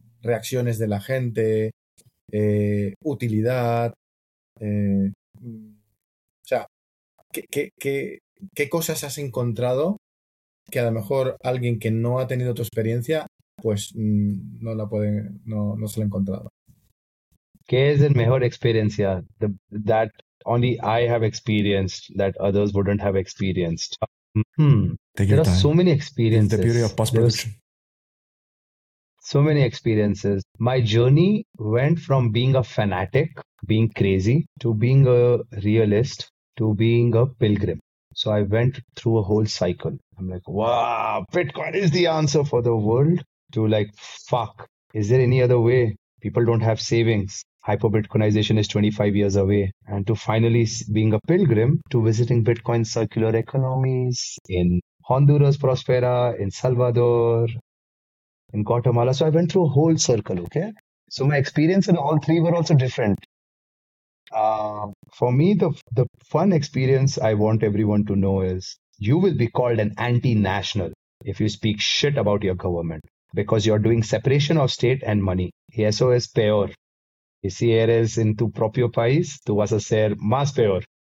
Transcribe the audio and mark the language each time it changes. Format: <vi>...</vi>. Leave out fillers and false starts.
<es>Reacciones de la gente, utilidad, o sea, ¿qué cosas has encontrado que a lo mejor alguien que no ha tenido tu experiencia, pues no se la ha encontrado? ¿Qué es el mejor experiencia</es> <en>that only I have experienced that others wouldn't have experienced? There are so many experiences. The beauty of post-production. So many experiences. My journey went from being a fanatic, being crazy, to being a realist, to being a pilgrim. So I went through a whole cycle. I'm like, wow, Bitcoin is the answer for the world. To like, fuck, is there any other way? People don't have savings. Hyper-Bitcoinization is 25 years away. And to finally being a pilgrim, to visiting Bitcoin circular economies in Honduras, Prospera, in Salvador, in Guatemala. So I went through a whole circle, okay? So my experience in all three were also different. For me, the fun experience I want everyone to know is you will be called an anti-national if you speak shit about your government, because you're doing separation of state and money.</en> <es>Eso es peor. Y si eres en tu propio país, tú vas a ser más peor.</es>